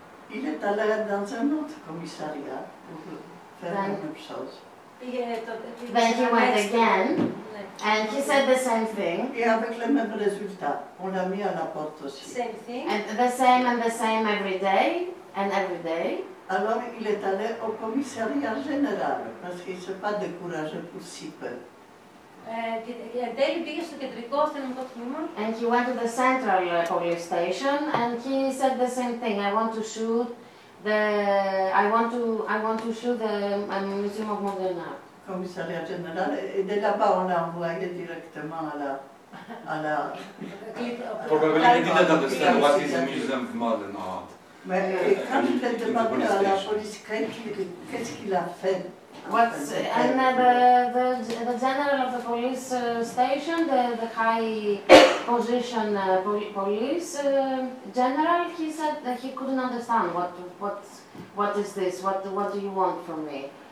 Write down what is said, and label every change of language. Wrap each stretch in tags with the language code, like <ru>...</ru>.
<fr>Il est allé dans un autre commissariat pour faire la même chose.</fr> <en>Then he went again, and he said the same thing.</en> <fr>Et avec le même résultat, on l'a mis à la porte aussi.</fr> <en>Same thing. And the same every day, and every day.</en> <fr>Alors il est allé au commissariat général, parce qu'il ne s'est pas découragé pour si peu. Et</fr> <en>daily</en> <el>πήγε στο κεντρικό αστυνομικό τμήμα.</el> <en>And he went to the central police station, and he said the same thing. I want to show the Museum of Modern Art.</en> <fr>Commissariat général, et de là-bas on l'a envoyé directement à la. Probablement, il</fr> <en>didn't understand what is a Museum of Modern Art.</en> <fr>Mais quand il a demandé à la police qu'est-ce qu'il a fait?</fr> <en>The general of the police station, the high position police general, he said that he couldn't understand what is this, what do you want from me?</en>